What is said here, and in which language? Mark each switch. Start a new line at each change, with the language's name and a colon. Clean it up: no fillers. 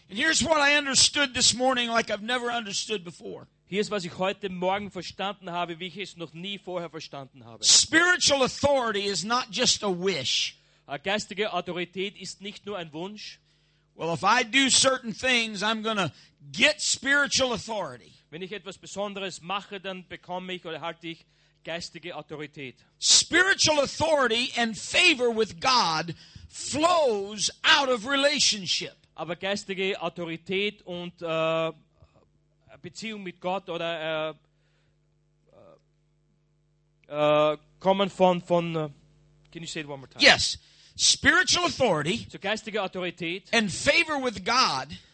English: And here's what I understood this morning like I've never understood before.
German: Hier ist, was ich heute Morgen verstanden habe, wie ich es noch nie vorher verstanden habe.
English: Spiritual authority is not just a wish.
German: Geistige Autorität ist nicht nur ein Wunsch.
English: Well, if I do certain things, I'm gonna get spiritual authority.
German: Wenn ich etwas Besonderes mache, dann bekomme ich oder halte ich geistige Autorität.
English: Spiritual authority and favor with God flows out of relationship.
German: Aber geistige Autorität und Beziehung mit Gott oder kommen von
English: can you say it one more time? Yes. Spiritual authority,
German: so geistige Autorität,
English: and favor with God,